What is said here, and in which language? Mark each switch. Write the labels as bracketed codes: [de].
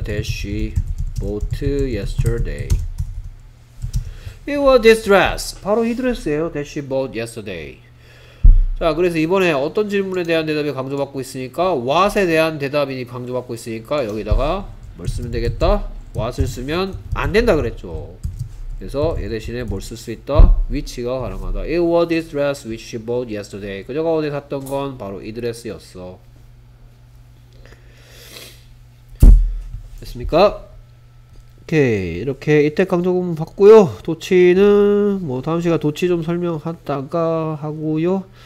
[en] that she bought yesterday. it was this dress. [ko] 바로 이 드레스예요. [en] that she bought yesterday. [ko] 자 그래서 이번에 어떤 질문에 대한 대답이 강조받고 있으니까 what에 대한 대답이 강조받고 있으니까 여기다가 뭘 쓰면 되겠다? what을 쓰면 안 된다 그랬죠. 그래서 얘 대신에 뭘 쓸 수 있다? which가 가능하다. [en] it was this dress which she bought yesterday. [ko] 그녀가 어제 샀던 건 바로 이 드레스였어. 됐습니까? 오케이 이렇게 이태 강조문 봤고요. 도치는 뭐 다음 시간 도치 좀 설명하다가 하고요.